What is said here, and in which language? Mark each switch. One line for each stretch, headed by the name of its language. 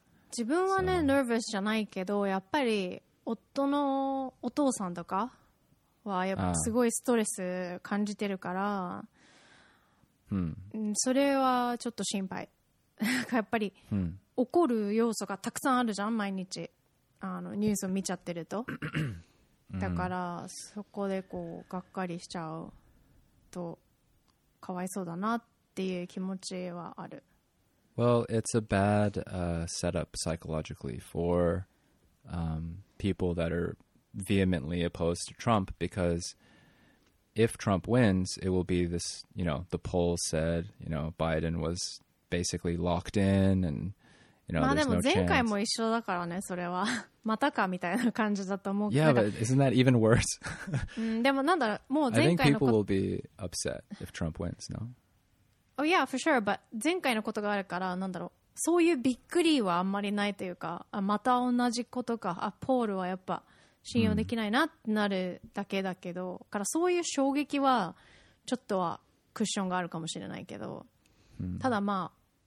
Japanese: 自分はね、ナーバスじゃないけど、やっぱり夫のお父さんとかはやっぱすごいストレス感じてるから、それはちょっと心配。やっぱり怒る要素がたくさんあるじゃん、毎日あのニュースを見ちゃってると。だからそこでこうがっかりしちゃうとかわいそうだなっていう気持ちはある。
English: Well, it's a bad setup psychologically for people that are vehemently opposed to Trump, because if Trump wins, it will be this, you know, the polls said, you know, Biden was basically locked in and, you know, there's no chance.
Japanese: まあでも前回も一緒だからね、それは。またかみたいな感じだと思う。
English: Yeah, but isn't that even worse?
Japanese: でもなんだろう、もう前回の。
English: I think people will be upset if Trump wins, no? Oh yeah, for sure. But
Japanese: 前回のことがあるから、なんだろう。そういうびっくりはあんまりないというか、あ、また同じことか。あ、ポールはやっぱ信用できないなってなるだけだけど、からそういう衝撃はちょっとはクッションがあるかもしれないけど、ただまあ、